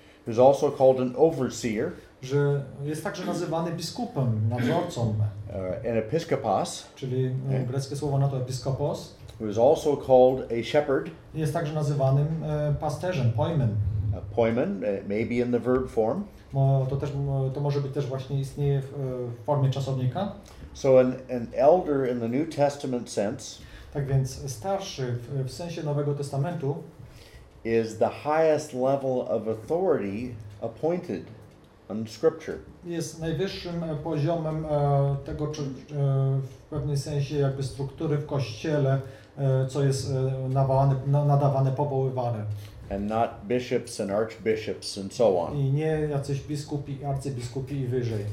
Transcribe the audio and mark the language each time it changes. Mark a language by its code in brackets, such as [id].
[en] Is also called an overseer. [pl] Że jest także nazywany biskupem, nadzorcą. [en] An episkopos. [pl] Czyli greckie słowo na to episkopos. [en] Is also called a shepherd. [pl] Jest także nazywanym pasterzem, poimen. [en] A poimen, maybe in the verb form. [pl] To może być też właśnie istnieje w formie czasownika. [en] So an elder in the New Testament sense. [pl] Tak więc starszy w sensie Nowego Testamentu [en] is the highest level of authority appointed in Scripture. [pl] Jest najwyższym poziomem tego, w pewnym sensie jakby struktury w Kościele co jest nadawane, nadawane, powoływane. [en] And not bishops and archbishops and so on. [pl] I nie jacyś biskupi, arcybiskupi i wyżej.